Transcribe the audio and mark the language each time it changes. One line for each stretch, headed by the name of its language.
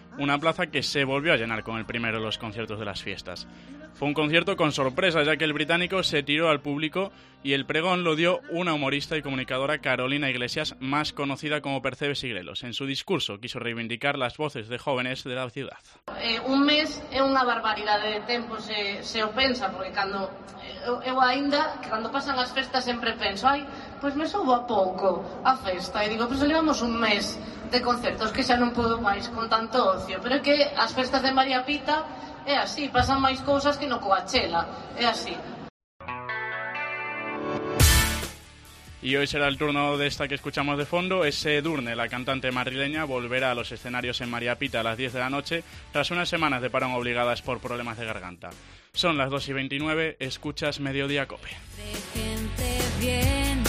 Spanish: Una plaza que se volvió a llenar con el primero de los conciertos de las fiestas. Fue un concierto con sorpresa, ya que el británico se tiró al público y el pregón lo dio una humorista y comunicadora, Carolina Iglesias, más conocida como Percebes y Grelos. En su discurso quiso reivindicar las voces de jóvenes de la ciudad.
Galician: Un mes é unha barbaridade de tempo, se o pensa, porque cando eu ainda, cando pasan as festas, sempre penso, ai, pois me soubo a pouco a festa, e digo, pois levamos un mes de concertos que xa non podo máis con tanto ocio, pero é que as festas de María Pita é así, pasan máis cousas que no Coachella, é así.
Spanish: Y hoy será el turno de esta que escuchamos de fondo. Es Edurne, la cantante madrileña, volverá a los escenarios en María Pita a las 10 de la noche tras unas semanas de parón obligadas por problemas de garganta. Son las 2:29, escuchas Mediodía Cope. De gente bien.